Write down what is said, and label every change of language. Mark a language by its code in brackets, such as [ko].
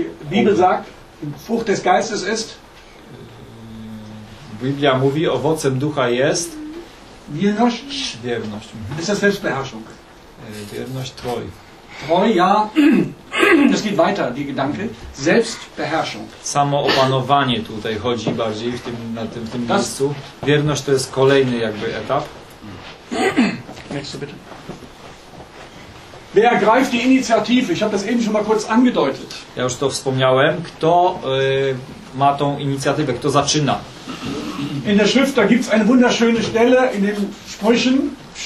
[de] Bibel sagt, frucht des Geistes ist. [pl] Biblia mówi, owocem ducha jest. Wierność. Wierność. [de] Ist das Selbstbeherrschung. [pl] Wierność, [de] treu. Treu, ja. Das geht weiter, die Gedanke. Selbstbeherrschung. [pl] Samoopanowanie tutaj chodzi bardziej w tym, na tym, tym miejscu. Wierność to jest kolejny jakby etap. [de] Next, bitte. Wer ergreift die Initiative? Ich habe das eben schon mal kurz angedeutet. [pl] Ja już to wspomniałem. Kto ma tą inicjatywę? Kto zaczyna? [de] In der Schrift, da gibt es eine wunderschöne Stelle in den Sprüchen.